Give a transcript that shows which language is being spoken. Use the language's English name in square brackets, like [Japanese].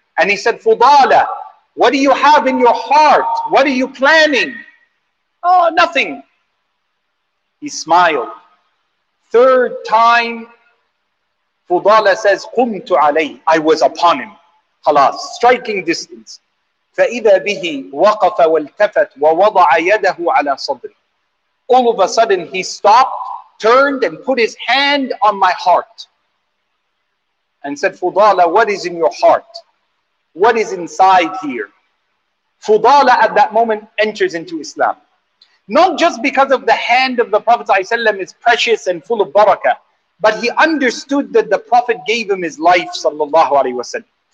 [English] And he said, فُضَالَ, what do you have in your heart? What are you planning? Oh, nothing. He smiled. Third time, Fudala says, [Arabic] قُمْتُ عَلَيْهِ. [English] I was upon him. [Arabic] خلاص, [English] striking distance. [Arabic] فإذا به وقف والتفت ووضع يده على صدري. [English] All of a sudden he stopped, turned and put his hand on my heart and said, Fudala, what is in your heart? What is inside here? Fudala at that moment enters into Islam. Not just because of the hand of the Prophet ﷺ is precious and full of barakah, but he understood that the Prophet gave him his life sallallahu alaihi wasallam.